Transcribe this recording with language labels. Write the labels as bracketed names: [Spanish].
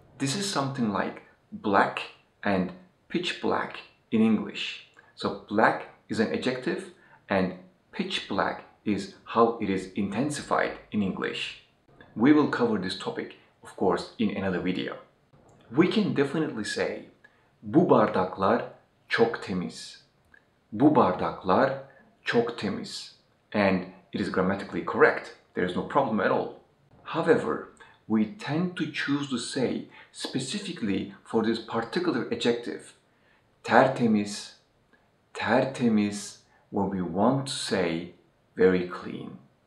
[English] This is something like black and pitch black in English. So black is an adjective and pitch black is how it is intensified in English. We will cover this topic, of course, in another video. We can definitely say [Turkish] bu bardaklar çok temiz. Bu bardaklar çok temiz. [English] And it is grammatically correct. There is no problem at all. However, we tend to choose to say specifically for this particular adjective tertemiz, tertemiz, when we want to say very clean.